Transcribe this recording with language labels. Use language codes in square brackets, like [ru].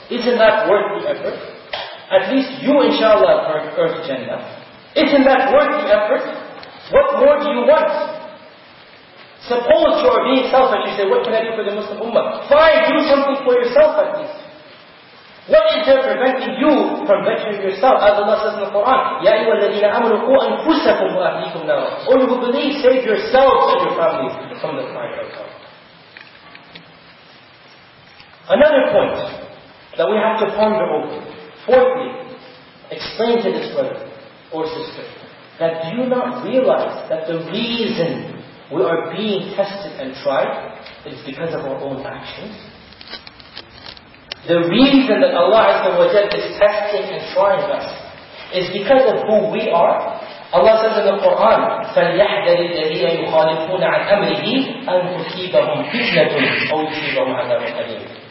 [en] Isn't that worth the effort? At least you, inshallah, earth Jannah. Isn't that worth the effort? What more do you want? Suppose you are being selfish, you say, what can I do for the Muslim Ummah? Fine, do something for yourself at least. What is there preventing you from bettering yourself? As Allah says in the Quran, [ar] يَا أَيُّهَا الَّذِينَ آمَنُوا قُوا أَنفُسَكُمْ وَأَهْلِيكُمْ نَارًا. [en] All you who believe, save yourselves and your families from the fire of hell. Another point that we have to ponder over. Fourthly, explain to this brother or sister that do you not realize that the reason we are being tested and tried is because of our own actions? The reason that Allah Azza wa Jal is testing and trying us is because of who we are. Allah says in the Quran, [ar] فَلْيَحْذَرِ الَّذِينَ يُخَالِفُونَ عَنْ أَمْرِهِ أَنْ تُصِيبَهُمْ فِتْنَةٌ أَوْ تُصِيبَهُمْ عَذَابٌ أَلِيمٌ.